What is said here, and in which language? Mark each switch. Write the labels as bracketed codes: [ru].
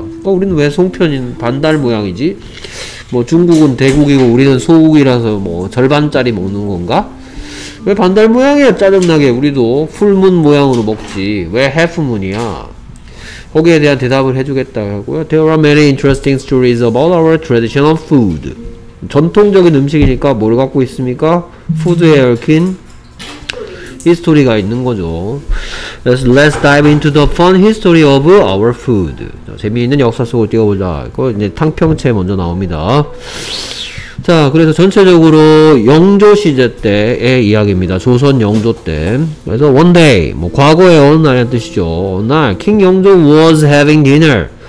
[ko] 그러니까 우리는 왜 송편인 반달 모양이지? 뭐 중국은 대국이고 우리는 소국이라서 뭐 절반짜리 먹는 건가? 왜 반달 모양이야? 짜증나게 우리도 풀문 모양으로 먹지. 왜 해프문이야? 거기에 대한 대답을 해주겠다고 하고요. [en] There are many interesting stories about our traditional food. [ko] 전통적인 음식이니까 뭘 갖고 있습니까? 푸드에 얽힌 히스토리가 있는 거죠. [en] Let's dive into the fun history of our food. [ko] 자, 재미있는 역사 속을 뛰어보자. 이거 이제 탕평채 먼저 나옵니다. 자, 그래서 전체적으로 영조 시대 때의 이야기입니다. 조선 영조 때. 그래서 [en] one day, [ko] 뭐 과거의 어느 날이란 뜻이죠. 어느 날, [en] King 영조 was having dinner.